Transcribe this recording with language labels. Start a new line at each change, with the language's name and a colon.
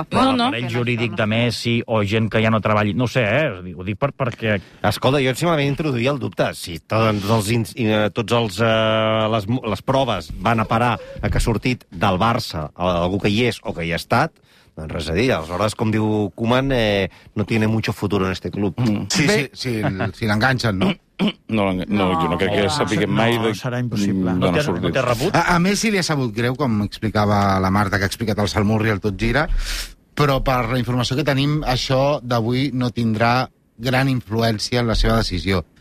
Catalan: fe. No, no. L'aparell jurídic de Messi o gent que ja no treballi... No ho sé, eh? Ho dic perquè... Escolta, jo simplement introduïa el dubte. Si les proves van a parar a que ha sortit del Barça o d'algú que hi és o que hi ha estat, doncs res a dir. Aleshores, com diu Koeman,
Spanish: no tiene mucho futuro en este club.
Catalan: Mm. Sí, sí, sí, si l'enganxen, no? No, jo no crec que sàpiguem mai... No, serà impossible. No té rebut. A Messi li ha sabut greu, com explicava la Marta, que ha explicat el Salmurri al Tot Gira, però per la informació que tenim, això d'avui no tindrà gran influència en la seva decisió.